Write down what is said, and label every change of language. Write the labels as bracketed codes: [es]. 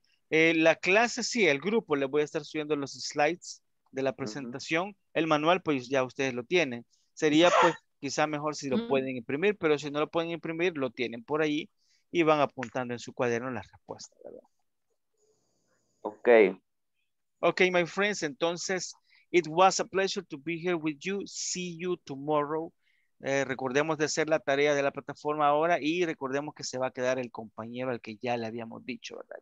[es] La clase sí, el grupo, le voy a estar subiendo los slides de la presentación. Uh-huh. El manual pues ya ustedes lo tienen. Sería pues quizá mejor si lo uh-huh. pueden imprimir, pero si no lo pueden imprimir, lo tienen por ahí y van apuntando en su cuaderno la respuesta, ¿verdad? Ok. [en] Ok, my friends, [es] entonces, [en] it was a pleasure to be here with you. See you tomorrow. [es] Recordemos de hacer la tarea de la plataforma ahora y recordemos que se va a quedar el compañero al que ya le habíamos dicho, ¿verdad?